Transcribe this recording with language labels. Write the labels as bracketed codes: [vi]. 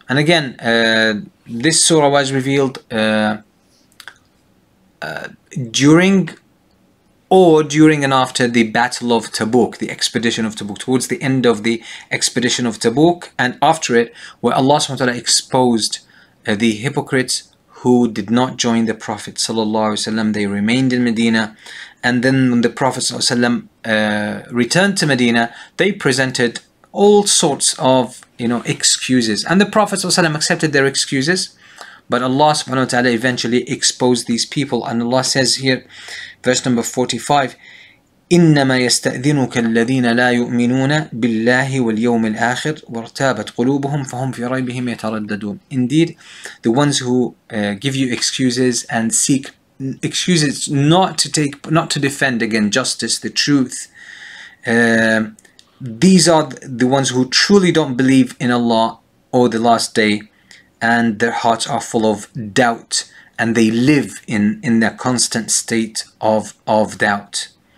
[en] And again, this surah was revealed during and after the Battle of Tabuk, the expedition of Tabuk, towards the end of the expedition of Tabuk, and after it, where Allah subhanahu wa ta'ala exposed the hypocrites who did not join the Prophet sallallahu alaihi wasallam. They remained in Medina. And then when the Prophet sallallahu alaihi wasallam returned to Medina, they presented all sorts of, you know, excuses. And the Prophet sallallahu alaihi wasallam accepted their excuses, but Allah subhanahu wa ta'ala eventually exposed these people. And Allah says here, verse number 45, [ar] إِنَّمَا يَسْتَأْذِنُكَ الَّذِينَ لَا يُؤْمِنُونَ بِاللَّهِ وَالْيَوْمِ الْآخِرِ وَارْتَابَتْ قُلُوبُهُمْ فَهُمْ فِي رَيْبِهِمْ يَتَرَدَّدُونَ. [en] Indeed, the ones who give you excuses and seek excuses not to defend again justice, the truth, these are the ones who truly don't believe in Allah or the last day, and their hearts are full of doubt, and they live in their constant state of doubt,